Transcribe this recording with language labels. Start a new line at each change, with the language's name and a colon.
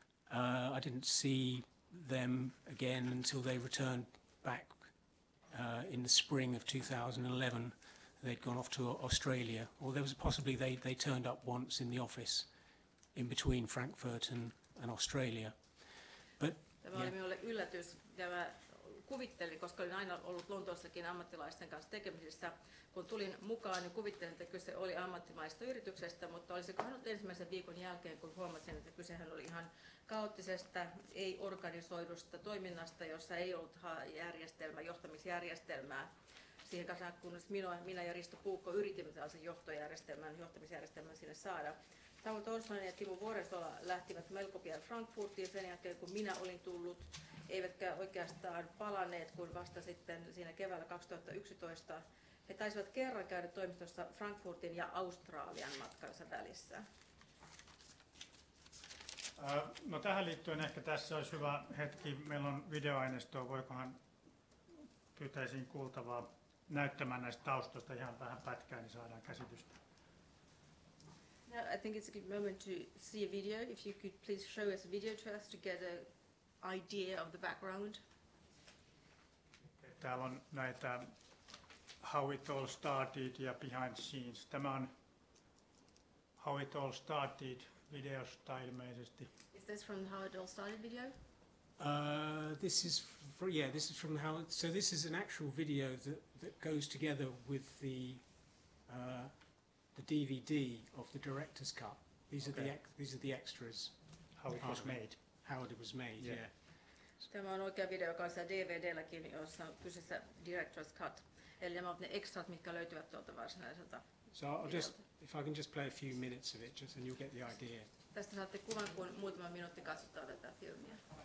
English: I didn't see them again until they returned back in the spring of 2011. They'd gone off to Australia, or there was possibly they turned up once in the office in between Frankfurt and Australia. But
Finnish: tämä oli minulle yllätys. Tämä kuvittelin, koska olin aina ollut Lontoossakin ammattilaisten kanssa tekemisissä. Kun tulin mukaan, niin kuvittelin, että kyse oli ammattimaisesta yrityksestä, mutta olisikohan ensimmäisen viikon jälkeen, kun huomasin, että kysehän oli ihan kaoottisesta, ei-organisoidusta toiminnasta, jossa ei ollut johtamisjärjestelmää. Siihen kanssa, kunnes minä ja Risto Puukko yritimme tällaisen johtamisjärjestelmän sinne saada. Samuel Torsman ja Timo Voresola lähtivät melko pian Frankfurtiin sen jälkeen, kun minä olin tullut. Eivätkä oikeastaan palanneet, kun vasta sitten siinä keväällä 2011 he taisivat kerran käydä toimistossa Frankfurtin ja Australian matkansa välissä. No tähän liittyen ehkä tässä olisi hyvä hetki. Meillä on videoaineistoa. Voikohan pyytäisiin kuultavaa näyttämään näistä taustoista ihan vähän pätkää, niin saadaan käsitystä.
English: Now, I think it's a good moment to see a video. If you could please show us a video to us to get an idea of the background.
Finnish: Et täällä on näitä How It All Started ja Behind Scenes. Tämä on How It All Started videosta ilmeisesti.
English: Is this from How It All Started video? This is from how. So this is an actual video that goes together with the DVD of the director's cut. These are the extras. How it was made. Yeah.
Finnish: Tämä on oikea video kanssa DVD:lläkin, jossa on kyseessä director's cut. Eli nämä ovat ne ekstrat, mitkä löytyvät tuolta varsinaiselta.
English: So I'll just, if I can just play a few minutes of it, just and you'll get the idea.
Finnish: Tästä saatte kuvan, kun muutama minuutti katsotaan tätä filmiä.